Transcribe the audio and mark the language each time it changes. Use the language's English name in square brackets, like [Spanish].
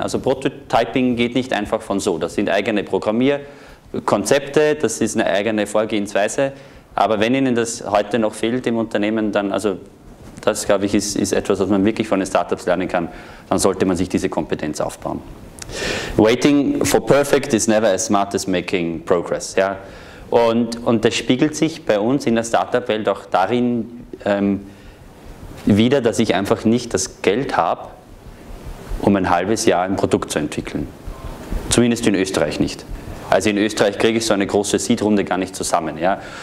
[German] Also Prototyping geht nicht einfach von so. Das sind eigene Programmierkonzepte, das ist eine eigene Vorgehensweise. Aber wenn Ihnen das heute noch fehlt im Unternehmen, dann also das, glaube ich, ist etwas, was man wirklich von den Startups lernen kann, dann sollte man sich diese Kompetenz aufbauen. [English] Waiting for perfect is never as smart as making progress. [German] Ja? Und das spiegelt sich bei uns in der Startup-Welt auch darin wieder, dass ich einfach nicht das Geld habe, um ein halbes Jahr ein Produkt zu entwickeln. Zumindest in Österreich nicht. Also in Österreich kriege ich so eine große Seed-Runde gar nicht zusammen. Ja?